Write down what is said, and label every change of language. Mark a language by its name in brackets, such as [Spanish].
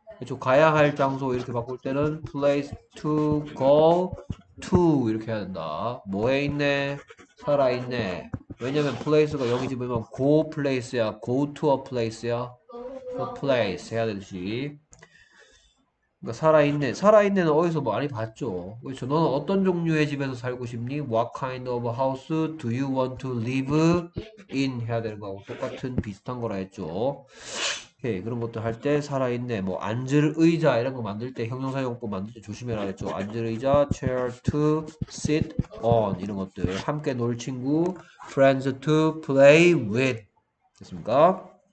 [Korean] 그렇죠. 가야 할 장소 이렇게 바꿀 때는 [English] place to go to [Korean] 이렇게 해야 된다. 뭐에 있네? 살아 있네. 왜냐면 place가 여기 집으면 [English] go place [Korean] 야, [English] go to a place [Korean] 야, go place 해야 되지. 살아있네. 살아있네는 어디서 많이 봤죠. 그렇죠. 너는 어떤 종류의 집에서 살고 싶니? [English] What kind of house do you want to live in? [Korean] 해야 되는 거하고 똑같은 비슷한 거라 했죠. 오케이. 그런 것도 할 때, 살아있네. 뭐, 앉을 의자 이런 거 만들 때, 형용사용법 만들 때 조심해라 했죠. 앉을 의자, [English] chair to sit on. [Korean] 이런 것들. 함께 놀 친구, [English] friends to play with. [Korean] 됐습니까?